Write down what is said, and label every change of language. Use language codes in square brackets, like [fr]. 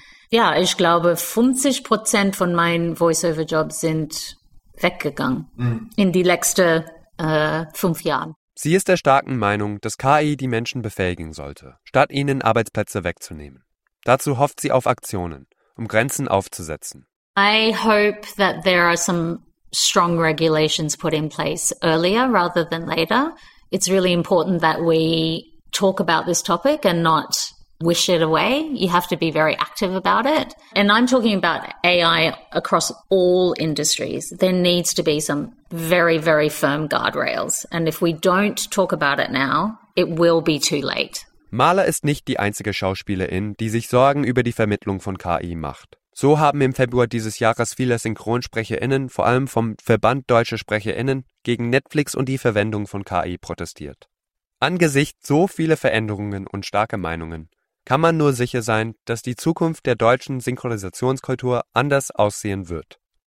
[de] Ja, ich glaube, 50% von meinen Voice-Over-Jobs sind weggegangen in die letzten 5 Jahren. Sie ist der starken Meinung, dass KI die Menschen befähigen sollte, statt ihnen Arbeitsplätze wegzunehmen. Dazu hofft sie auf Aktionen, um Grenzen aufzusetzen. [en] I hope that there are some strong regulations put in place earlier rather than later. It's really important that we talk about this topic and not wish it away. You have to be very active about it. And I'm talking about AI across all industries. There needs to be some very, very firm guardrails. And if we don't talk about it now, it will be too late. [de] Mahler ist nicht die einzige Schauspielerin, die sich Sorgen über die Vermittlung von KI macht. So haben im Februar dieses Jahres viele SynchronsprecherInnen, vor allem vom Verband Deutsche SprecherInnen, gegen Netflix und die Verwendung von KI protestiert. Angesichts so vieler Veränderungen und starker Meinungen kann man nur sicher sein, dass die Zukunft der deutschen Synchronisationskultur anders aussehen wird.